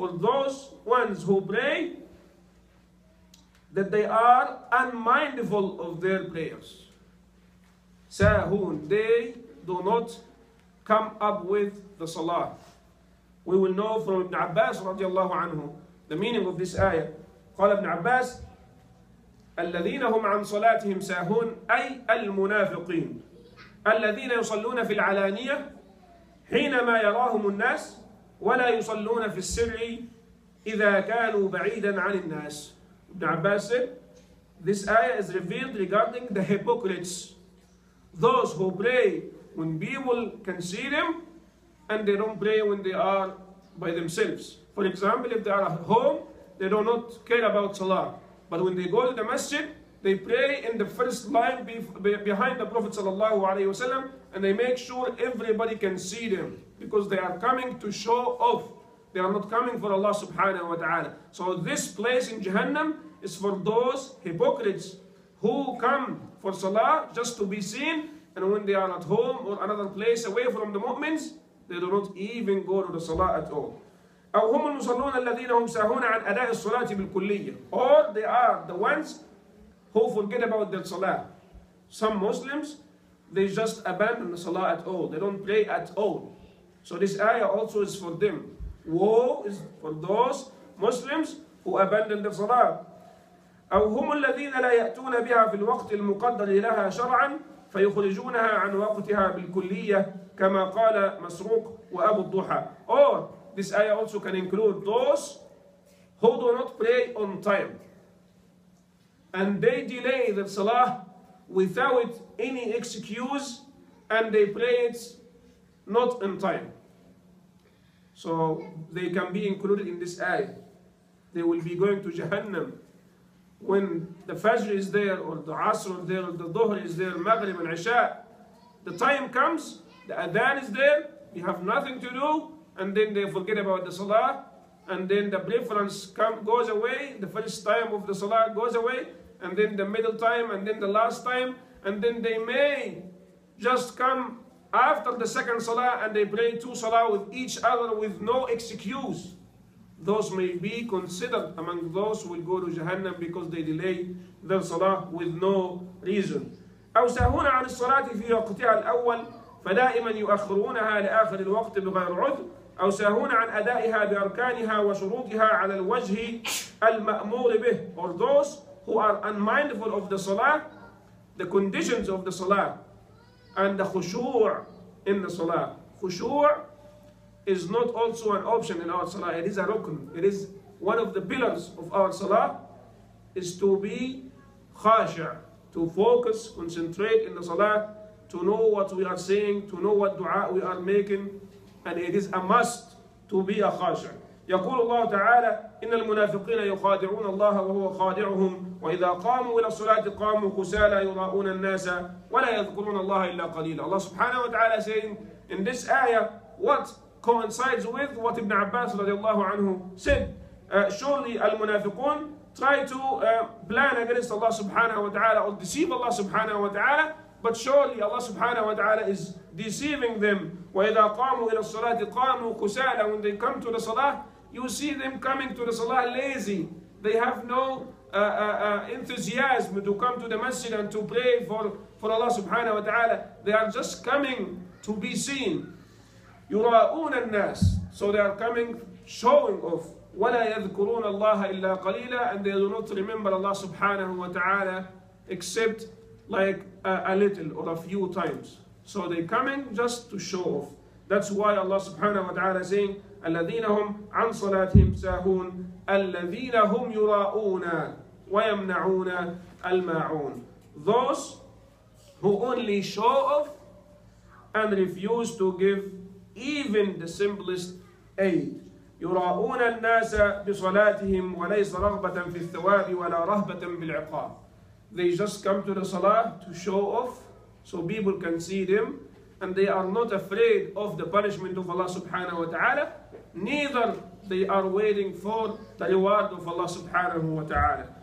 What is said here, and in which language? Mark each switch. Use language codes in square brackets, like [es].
[en] for those ones who pray that they are unmindful of their prayers. Sahoon, they do not come up with the salah. We will know from Ibn Abbas radiallahu anhu the meaning of this ayah. [ar] قال ابن عباس الذين هم عن صلاتهم ساهون أي المنافقين الذين يصلون في العلانية حينما يراهم الناس ولا يصلون في السر إذا كانوا بعيدا عن الناس. [en] ابن عباس said, this ayah is revealed regarding the hypocrites, those who pray when people can see them and they don't pray when they are by themselves. For example, if they are at home, they do not care about Salah. But when they go to the masjid, they pray in the first line behind the Prophet sallallahu alayhi wa sallam, and they make sure everybody can see them, because they are coming to show off. They are not coming for Allah subhanahu wa ta'ala. So this place in Jahannam is for those hypocrites who come for Salah just to be seen, and when they are at home or another place away from the mu'mins, they do not even go to the Salah at all. [ar] أو هم المصلون الذين هم ساهون عن أداء الصلاة بالكلية. [en] Or they are the ones who forget about their salah. Some Muslims, they just abandon the salah at all. They don't pray at all. So this ayah also is for them. Woe is for those Muslims who abandon their salah. [ar] أو هم الذين لا يأتون بها في الوقت المقدر لها شرعا فيخرجونها عن وقتها بالكلية كما قال مسروق وأبو الضحى. [en] Or this ayah also can include those who do not pray on time, and they delay the salah without any excuse, and they pray it not in time. So they can be included in this ayah. They will be going to Jahannam when the Fajr is there, or the Asr is there, or the Dhuhr is there, Maghrib and Isha. The time comes, the Adhan is there, we have nothing to do, and then they forget about the salah, and then the preference goes away, the first time of the salah goes away, and then the middle time, and then the last time, and then they may just come after the second salah and they pray two salah with each other with no excuse. Those may be considered among those who will go to Jahannam because they delay their salah with no reason. [ar] أو ساهون عن الصلاة في وقتها الأول فدائما يؤخرونها لآخر الوقت بغير عذر أو ساهون عن أدائها بأركانها وشروطها على الوجه المأمور به. [en] Or those who are unmindful of the salah, the conditions of the salah, and the khushu' in the salah. Khushu' is not also an option in our salah. It is a rukn. It is one of the pillars of our salah, is to be khashu', to focus, concentrate in the salah, to know what we are saying, to know what dua we are making. And it is a must to be a khashu'. [ar] يقول الله تعالى إن المنافقين يخادعون الله وهو خادعهم وإذا قاموا إلى الصلاة قاموا كسالى يراؤون الناس ولا يذكرون الله إلا قليلا. [en] Allah subhanahu wa ta'ala saying in this ayah what coincides with what Ibn Abbas [ar] رضي الله عنه [en] said. Surely المنافقون try to plan against Allah subhanahu wa ta'ala or deceive Allah subhanahu wa ta'ala, but surely Allah subhanahu wa ta'ala is deceiving them. [ar] وَإِذَا قَامُوا إِلَى الصَّلَاةِ قَامُوا كُسَالًا. [en] When they come to the salah, you see them coming to the salah lazy. They have no enthusiasm to come to the masjid and to pray for Allah subhanahu wa ta'ala. They are just coming to be seen. [ar] يُرَاءُونَ النَّاسِ. [en] So they are coming showing off. [ar] وَلَا يَذْكُرُونَ اللَّهَ إِلَّا قَلِيلًا. [en] And they do not remember Allah subhanahu wa ta'ala except like a little or a few times. So they come in just to show off. That's why Allah subhanahu wa ta'ala is saying, [ar] الَّذِينَ هُمْ عَنْ صَلَاتِهِمْ سَاهُونَ الَّذِينَ هُمْ يُرَاءُونَ وَيَمْنَعُونَ الْمَاعُونَ. [en] Those who only show off and refuse to give even the simplest aid. [ar] يُرَاءُونَ النَّاسَ بِصَلَاتِهِمْ وَلَيْسَ رَغْبَةً فِي الثَّوَابِ وَلَا رَهْبَةً بِالْعِقَابِ. [en] They just come to the salah to show off so people can see them, and they are not afraid of the punishment of Allah subhanahu wa ta'ala, neither they are waiting for the reward of Allah subhanahu wa ta'ala.